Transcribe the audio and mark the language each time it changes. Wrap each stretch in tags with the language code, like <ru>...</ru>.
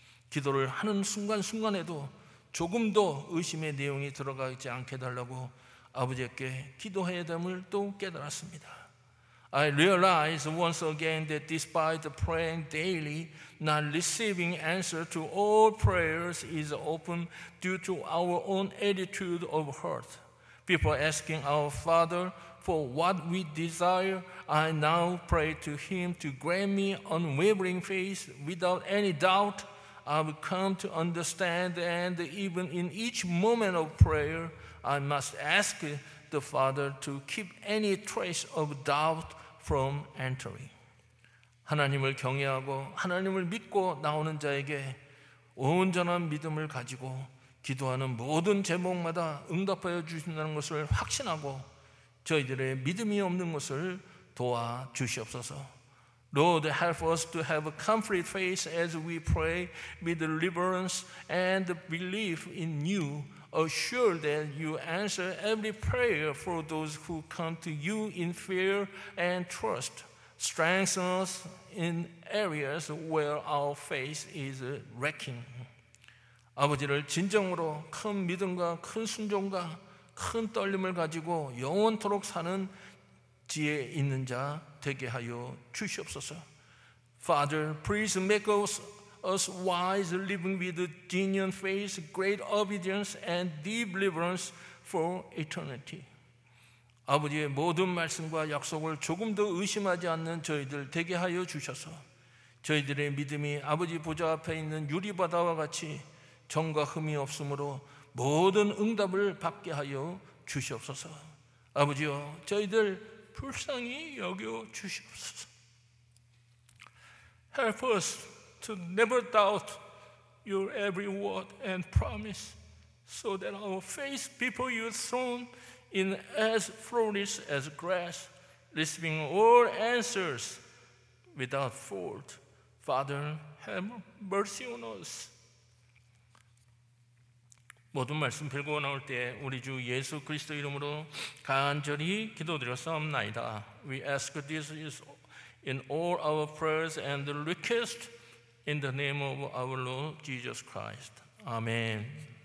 <ko>기도를 하는 순간순간에도 조금도 의심의 내용이 들어가 있지 않게 달라고 아버지께 기도해야 됨을 또 깨달았습니다.</ko> <en>I realize once again that despite praying daily, not receiving answer to all prayers is often due to our own attitude of heart. Before asking our Father for what we desire, I now pray to Him to grant me unwavering faith. Without any doubt, I will come to understand, and even in each moment of prayer, I must ask the Father to keep any trace of doubt from entering.</en> <ko>하나님을 경외하고 하나님을 믿고 나오는 자에게 온전한 믿음을 가지고 기도하는 모든 제목마다 응답하여 주신다는 것을 확신하고 저희들의 믿음이 없는 것을 도와주시옵소서.</ko> <en>Lord, help us to have a complete faith as we pray with deliverance and belief in you. Assured that you answer every prayer for those who come to you in fear and trust. Strengthen us in areas where our faith is lacking.</en> <ko>아버지를 진정으로 큰 믿음과 큰 순종과 큰 떨림을 가지고 영원토록 사는 지혜 있는 자 되게 하여 주시옵소서.</ko> <en>Father, please make us wise, living with genuine faith, great obedience, and deep reverence for eternity.</en> <ko>아버지의 모든 말씀과 약속을 조금도 의심하지 않는 저희들 되게 하여 주셔서 저희들의 믿음이 아버지 보좌 앞에 있는 유리바다와 같이 정과 흠이 없으므로 모든 응답을 받게 하여 주시옵소서. 아버지여, 저희들 불쌍히 여겨 주시옵소서.</ko> <en>Help us to never doubt your every word and promise so that our faith before your throne in as flourish as grass, receiving all answers without fault. Father, have mercy on us.</en> <ko>모든 말씀 빌고 나올 때 우리 주 예수 그리스도 이름으로 간절히 기도드렸사옵나이다.</ko> <en>We ask this in all our prayers and requests in the name of our Lord Jesus Christ. Amen.</en>